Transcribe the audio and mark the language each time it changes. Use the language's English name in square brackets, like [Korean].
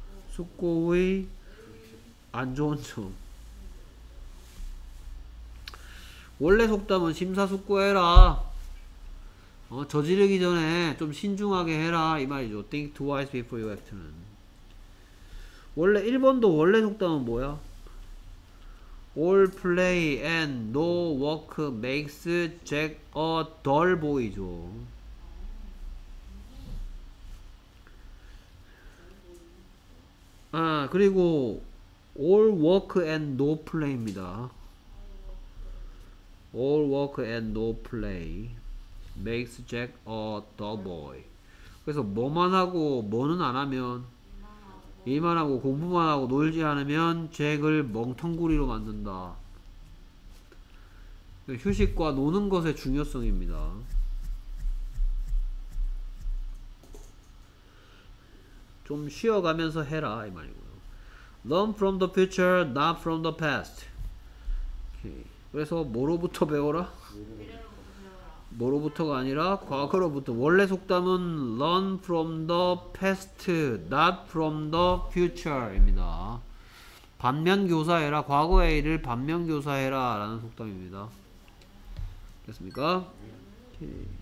[Korean] 숙고의 안 좋은 점. 원래 속담은 심사숙고해라. 저지르기 전에 좀 신중하게 해라 이 말이죠. [English] Think twice before you act는. [Korean] 원래 일본도 원래 속담은 뭐야? [English] All play and no work makes Jack a dull boy죠. 아 그리고 All work and no play입니다. All work and no play makes Jack a dull boy. [Korean] 그래서 뭐만 하고 뭐는 안 하면 일만 하고 공부만 하고 놀지 않으면 잭을 멍텅구리로 만든다. 휴식과 노는 것의 중요성입니다. 좀 쉬어가면서 해라 이 말이고요. [English] Learn from the future, not from the past. [Korean] 오케이. 그래서 뭐로부터 배워라? 뭐로부터가 아니라 과거로부터. 원래 속담은 [English] learn from the past, not from the future입니다. [Korean] 반면교사해라. 과거의 일을 반면교사해라 라는 속담입니다. 됐습니까? 오케이.